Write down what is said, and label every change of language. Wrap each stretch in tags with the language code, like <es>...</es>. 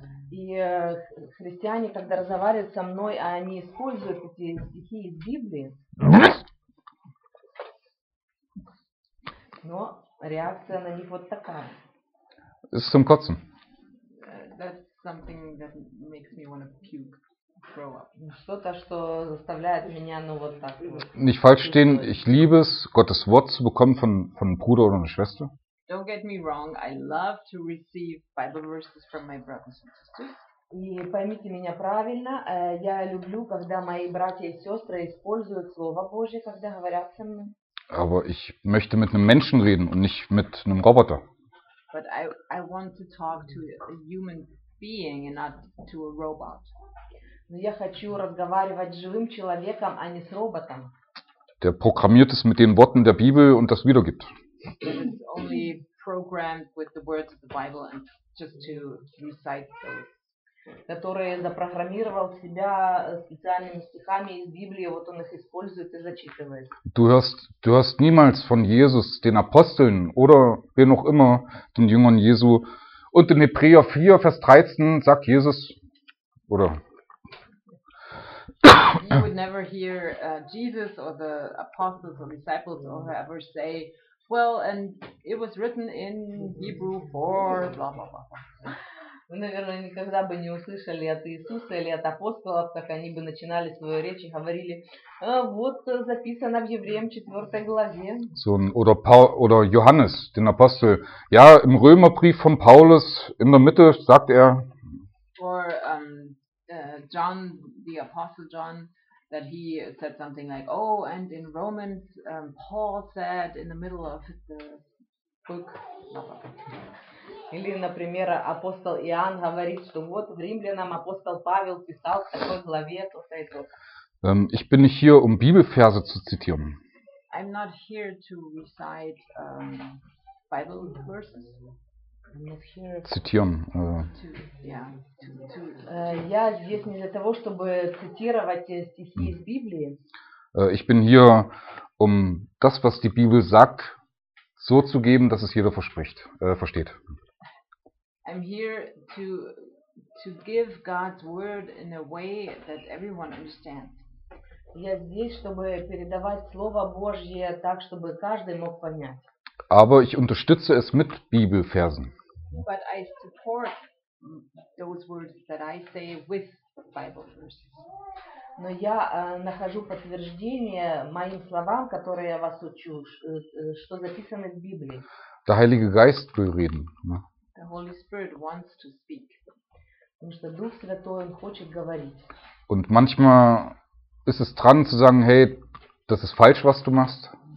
<ru>И христиане, когда разговаривают со мной, они используют эти стихи из Библии. Но реакция на них вот такая.</ru> <de>Ist zum Kotzen.</de> <en>That's something that makes me want to puke, throw up.</en> <ru>Что-то, что заставляет меня, ну вот так.</ru> <de>Nicht falsch stehen, ich liebe es, Gottes Wort zu bekommen von einem Bruder oder einer Schwester.</de> <en>Don't get me wrong, I love to receive Bible verses from my brothers and sisters.</en> <ru>И поймите меня правильно, я люблю, когда мои братья и сестры используют Слово Божье, когда говорят со мной.</ru> <de>Aber ich möchte mit einem Menschen reden und nicht mit einem Roboter.</de> <en>But I want to talk to a human being and not to a robot.</en> <ru>Но я хочу разговаривать с живым человеком, а не с роботом.</ru> <de>Der programmiert es mit den Worten der Bibel und das wiedergibt.</de> <en>It's only programmed with the words of the Bible and just to recite those.</en> <ru>Который запрограммировал себя специальными стихами из Библии, вот он их использует и зачитывает.</ru> <de>Du hörst niemals von Jesus, den Aposteln oder wen auch immer, den Jüngern Jesu. Und in Hebräer 4, Vers 13 sagt Jesus, oder...</de> <en>You would never hear Jesus or the apostles or disciples or whoever say, well, and it was written in Hebrew 4, blah, blah, blah.</en> <ru>Вы, наверное, никогда бы не услышали от Иисуса или от апостолов, как они бы начинали свою речь и говорили, вот записано в Евреям 4 главе.</ru> <de>So, oder Johannes, den Apostel. Ja, im Römerbrief von Paulus, in der Mitte, sagt er.</de> <en>Or John, the Apostle John, that he said something like, oh, and in Romans, Paul said in the middle of the book,</en> <ru>Или, например, апостол Иоанн говорит, что вот в Римлянам апостол Павел писал в такой главе то-то и то-то.</ru> <de>Ich bin nicht hier, um Bibelverse zu zitieren.</de> <en>I'm not here to recite Bible verses.</en> <ru>Цитируем. Я здесь не для того, чтобы цитировать стихи из Библии.</ru> <de>Ich bin hier, um das, was die Bibel sagt, so zu geben, dass es jeder verspricht, versteht.</de> <en>I'm here to give God's word in a way that everyone understands.</en> <ru>Я здесь, чтобы передавать Слово Божье так, чтобы каждый мог понять.</ru> <de>Aber ich unterstütze es mit Bibelversen.</de> <en>But I support those words that I say with Bible verses.</en> <ru>Но я нахожу подтверждение моим словам, которые я вас учу, что записано в Библии.</ru> <de>Der Heilige Geist will reden.</de> <en>The Holy Spirit wants to speak.</en> <ru>Потому что Дух Святой хочет говорить.</ru> <de>Und manchmal ist es dran zu sagen, hey, das ist falsch, was du machst.</de>